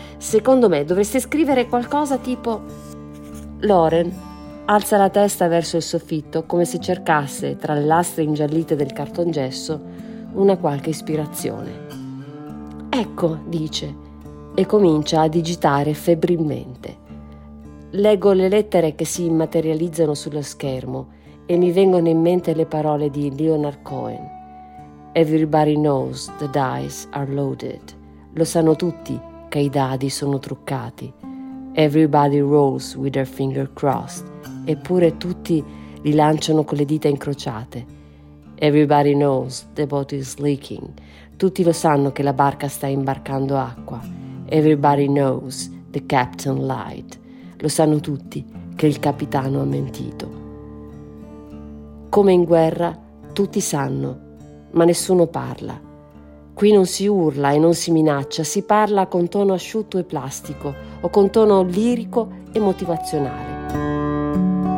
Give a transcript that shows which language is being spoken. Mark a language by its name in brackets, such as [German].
[Italian] Secondo me dovresti scrivere qualcosa tipo: Loren alza la testa verso il soffitto, come se cercasse, tra le lastre ingiallite del cartongesso, una qualche ispirazione. Ecco, dice, e comincia a digitare febbrilmente. Leggo le lettere che si immaterializzano sullo schermo e mi vengono in mente le parole di Leonard Cohen. [English] Everybody knows the dice are loaded. [Italian] Lo sanno tutti che i dadi sono truccati. [English] Everybody rolls with their finger crossed. [Italian] Eppure tutti li lanciano con le dita incrociate. [English] Everybody knows the boat is leaking. [Italian] Tutti lo sanno che la barca sta imbarcando acqua. [English] Everybody knows the captain lied. [Italian] Lo sanno tutti che il capitano ha mentito. Come in guerra, tutti sanno, ma nessuno parla. Qui non si urla e non si minaccia, si parla con tono asciutto e plastico o con tono lirico e motivazionale.